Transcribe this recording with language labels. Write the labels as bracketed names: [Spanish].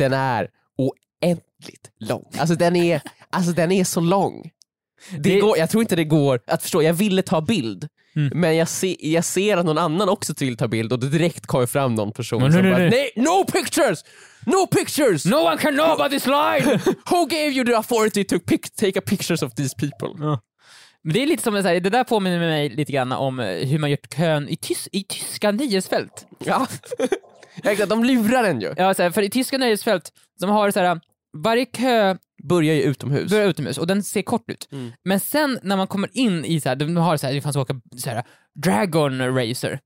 [Swedish] Den är oändligt lång. Alltså den är så lång. Jag tror inte det går att förstå. Jag ville ta bild. Mm. Men jag ser att någon annan också vill ta bild och det direkt kommer fram någon person nej, [English] no pictures. No pictures. No one can know about this line. Who gave you the authority to take pictures of these people? Yeah. [Swedish] Men det är lite som att det där påminner mig lite grann om hur man gjort kön i tyska nöjesfält. Ja. De lurar den ju. Ja, såhär, för i tyska nöjesfält de har så här, varje kö börjar ju utomhus. Börjar utomhus och den ser kort ut. Mm. Men sen när man kommer in i så här, de har så här, det fanns åka så här Dragon Racer.